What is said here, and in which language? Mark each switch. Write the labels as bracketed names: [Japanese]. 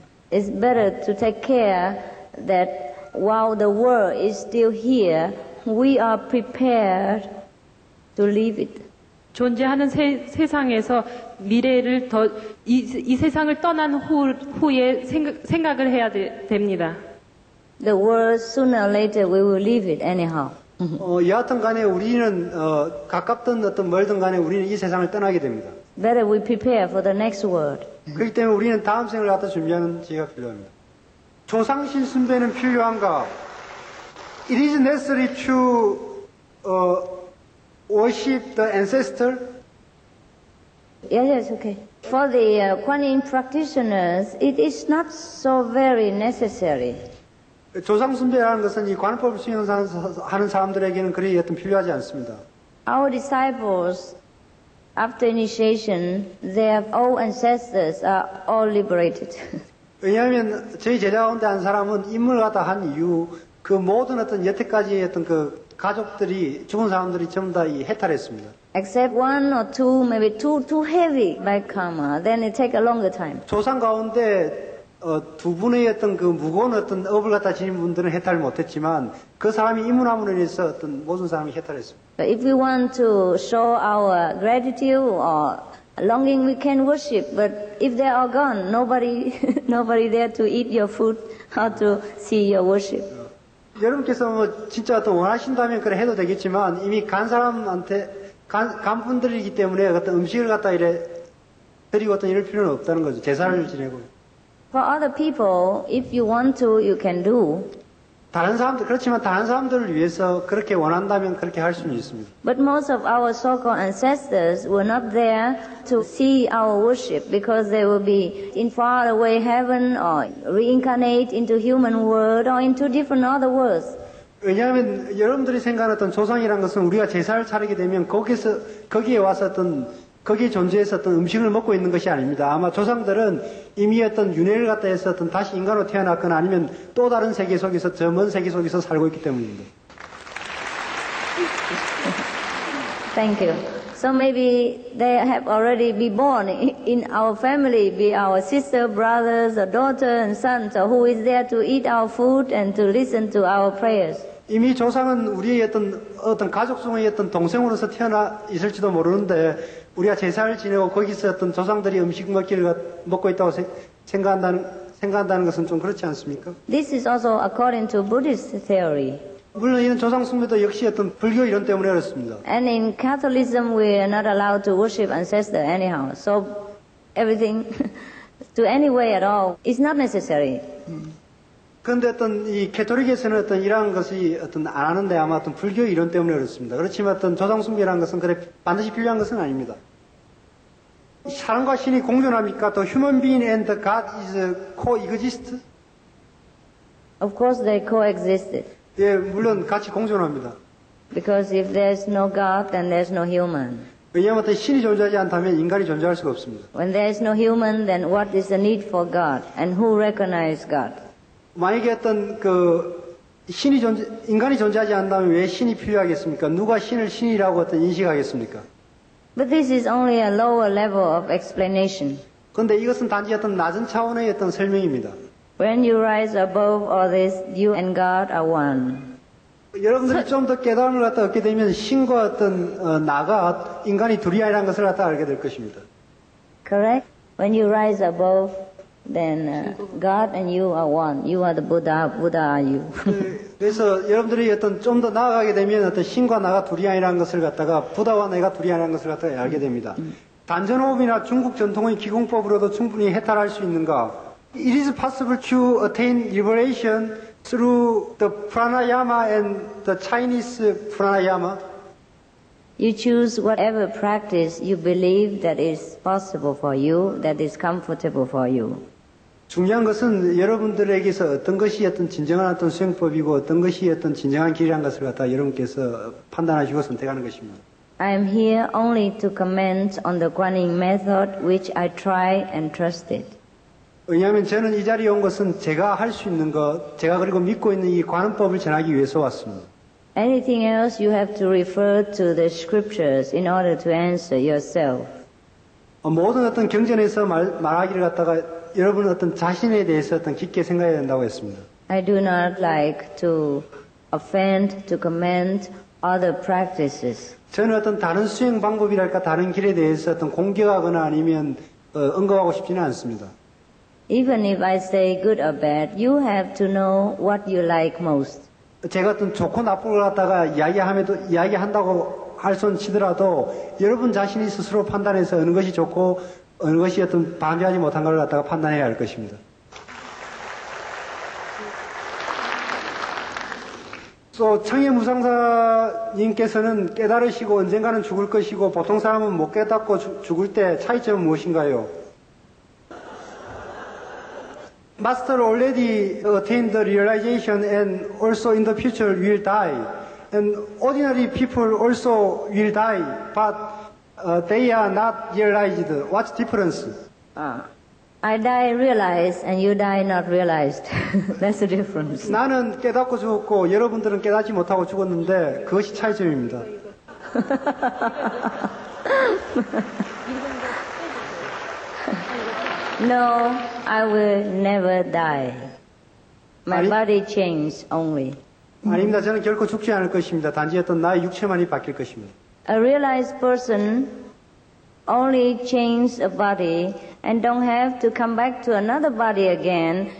[English] It's better to take care that while the world is still here, we are prepared to leave it. [Korean] 존재하는 세상에서 미래를 더 이 세상을 떠난 후에 생각을 해야 됩니다. [English] The world sooner or later we will leave it anyhow. [Korean] 여하튼 간에 우리는 가깝든 어떤 멀든 간에 우리는 이 세상을 떠나게 됩니다. [English] Better we prepare for the next world. [Korean] 그렇기 때문에 우리는 다음 생을 갖다 준비하는 지혜가 필요합니다. 조상신 숭배는 필요한가? [English] It is necessary to worship the ancestor? Yes, yes, okay. For the Kuan Yin practitioners, it is not so very necessary. [Korean] 조상 숭배라는 것은 이 관음법을 수행하는 사람들에게는 그리 어떤 필요하지 않습니다. [English] Our disciples, after initiation, their old ancestors are all liberated. [Korean] 왜냐하면 저희 제자 가운데 한 사람은 임무를 갖다 한 이후 그 모든 어떤 여태까지의 어떤 그 가족들이 죽은 사람들이 전부 다 해탈했습니다. [English] Except one or two, maybe two heavy by karma, then it take a longer time. [Korean] 조상 가운데 두 분의 어떤 그 무거운 어떤 업을 갖다 지닌 분들은 해탈 못했지만 그 사람이 이문함으로 인해서 어떤 모든 사람이 해탈했습니다. [English] But if we want to show our gratitude or longing, we can worship. But if they are gone, nobody there to eat your food or to see your worship. [Korean] 여러분께서 뭐 진짜 더 원하신다면 그래 해도 되겠지만 이미 간 사람한테 간 분들이기 때문에 어떤 음식을 갖다 이래 드리고 어떤 이럴 필요는 없다는 거죠. 제사를 지내고. [English] For other people, if you want to, you can do. [Korean] 다른 사람들 그렇지만 다른 사람들을 위해서 그렇게 원한다면 그렇게 할 수는 있습니다. [English] But most of our so-called ancestors were not there to see our worship because they will be in far away heaven or reincarnate into human world or into different other worlds. [Korean] 왜냐하면 여러분들이 생각했던 조상이란 것은 우리가 제사를 차리게 되면 거기에 왔었던 거기에 존재했었던 음식을 먹고 있는 것이 아닙니다. 아마 조상들은 이미 어떤 윤회를 갖다 했었던 다시 인간으로 태어났거나 아니면 또 다른 세계 속에서 저 먼 세계 속에서 살고 있기 때문입니다. [English] Thank you. So maybe they have already been born in our family, be our sister, brothers, a daughter, and sons, so who is there to eat our food and to listen to our prayers. [Korean] 이미 조상은 우리의 어떤 가족 중의 어떤 동생으로서 태어나 있을지도 모르는데 우리가 제사를 지내고 거기서 어떤 조상들이 음식 먹기를 먹고 있다고 생각한다는 것은 좀 그렇지 않습니까? [English] This is also according to Buddhist theory. [Korean] 물론 이런 조상 숭배도 역시 어떤 불교 이론 때문에 그렇습니다. [English] And in Catholicism, we are not allowed to worship ancestor anyhow. So everything to any way at all is not necessary. [Korean] 근데 어떤 이 캐톨릭에서는 어떤 이러한 것이 어떤 안 하는데 아마 어떤 불교 이론 때문에 그렇습니다. 그렇지만 어떤 조상 숭배라는 것은 그래 반드시 필요한 것은 아닙니다. 사람과 신이 공존합니까? [English] The human being and the God is coexist? Of course they coexist. [Korean] 예, 물론 같이 공존합니다. [English] Because if there's no God, then there's no human. [Korean] 왜냐하면 신이 존재하지 않다면 인간이 존재할 수가 없습니다. [English] When there is no human, then what is the need for God? And who recognize God? [Korean] 만약에 어떤 그 인간이 존재하지 않다면 왜 신이 필요하겠습니까? 누가 신을 신이라고 어떤 인식하겠습니까? [English] But this is only a lower level of explanation. [Korean] 그런데 이것은 단지 어떤 낮은 차원의 어떤 설명입니다. [English] When you rise above all this, you and God are one. [Korean] 여러분들이 좀 더 깨달음을 갖다 얻게 되면 신과 어떤 나가 인간이 둘이 아니라는 것을 갖다 알게 될 것입니다. [English] Correct. When you rise above. Then God and you are one. You are the Buddha. Buddha are you. [Korean] 그래서 여러분들이 어떤 좀 더 나아가게 되면 어떤 신과 나가 둘이 아니라는 것을 갖다가 부다와 내가 둘이 아니라는 것을 갖다가 알게 됩니다. 단전호흡이나 중국 전통의 기공법으로도 충분히 해탈할 수 있는가? [English] It is possible to attain liberation through the pranayama and the Chinese pranayama. You choose whatever practice you believe that is possible for you, that is comfortable for you. [Korean] 중요한 것은 여러분들에게서 어떤 것이 어떤 진정한 어떤 수행법이고 어떤 것이 어떤 진정한 길이란 것을 갖다 여러분께서 판단하시고 선택하는 것입니다. [English] I am here only to comment on the Kuan Yin method which I try and trusted. [Korean] 왜냐하면 저는 이 자리에 온 것은 제가 할 수 있는 것, 제가 그리고 믿고 있는 이 관음법을 전하기 위해서 왔습니다. [English] Anything else you have to refer to the scriptures in order to answer yourself. [Korean] 모든 어떤 경전에서 말하기를 갖다가 여러분 어떤 자신에 대해서 어떤 깊게 생각해야 된다고 했습니다. [English] I do not like to offend, to comment other practices. [Korean] 저는 어떤 다른 수행 방법이랄까 다른 길에 대해서 어떤 공격하거나 아니면 언급하고 싶지는 않습니다. [English] Even if I say good or bad, you have to know what you like most. [Korean] 제가 어떤 좋고 나쁘고 갖다가 이야기한다고 할 손 치더라도 여러분 자신이 스스로 판단해서 어느 것이 좋고 어느 것이 어떤 반대하지 못한 것을 갖다가 판단해야 할 것입니다. So, 청해무상사님께서는 깨달으시고 언젠가는 죽을 것이고 보통 사람은 못 깨닫고 죽을 때 차이점은 무엇인가요? [English] Master already attained the realization and also in the future will die. And ordinary people also will die, but they are not realized. What's the difference? I die realized and you die not realized. That's the difference. [Korean] 나는 깨닫고 죽었고 여러분들은 깨닫지 못하고 죽었는데 그것이 차이점입니다. [English] No, I will never die. My body changes only. [Korean] 아닙니다. 저는 결코 죽지 않을 것입니다. 단지 어떤 나의 육체만이 바뀔 것입니다. [English] A realized person only changes a body and don't have to come back to another body again.